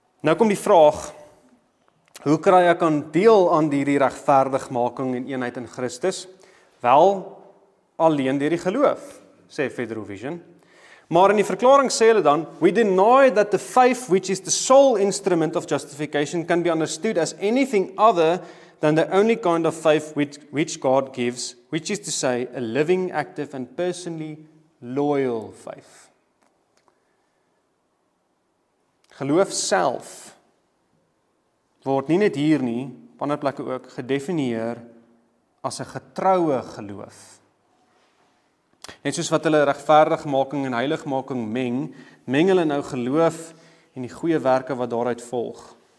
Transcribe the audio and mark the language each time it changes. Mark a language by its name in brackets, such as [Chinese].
[Afrikaans] Nou kom die vraag, hoe kry ek aan deel aan die regverdigmaking en eenheid in Christus? Wel, alleen deur die geloof, sê Federal Vision. Maar in die verklaring sê hulle dan, [English] we deny that the faith which is the sole instrument of justification can be understood as anything other than the only kind of faith which God gives, which is to say, a living, active, and personally loyal faith. [Afrikaans] Geloof self word nie net hier nie, op ander plekke ook, gedefinieer as 'n getroue geloof. Net soos wat hulle regverdigmaking en heiligmaking meng, meng hulle nou geloof en die goeie werke wat daaruit volg.